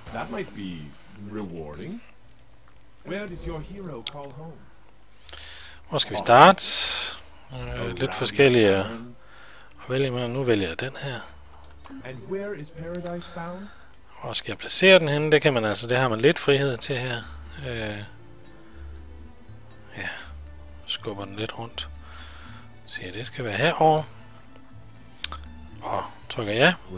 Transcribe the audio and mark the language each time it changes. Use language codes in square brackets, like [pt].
[en] That might be rewarding. Where does your hero call home? [da] Hvor skal vi starte? Lidt forskellige at vælge med. Nu vælger jeg den her. [en] And where is paradise found? [da] Hvor skal jeg placere den henne? Det kan man altså, det har man lidt frihed til her. Ja, skubber den lidt rundt. Så det skal være herovre. Og trykker ja.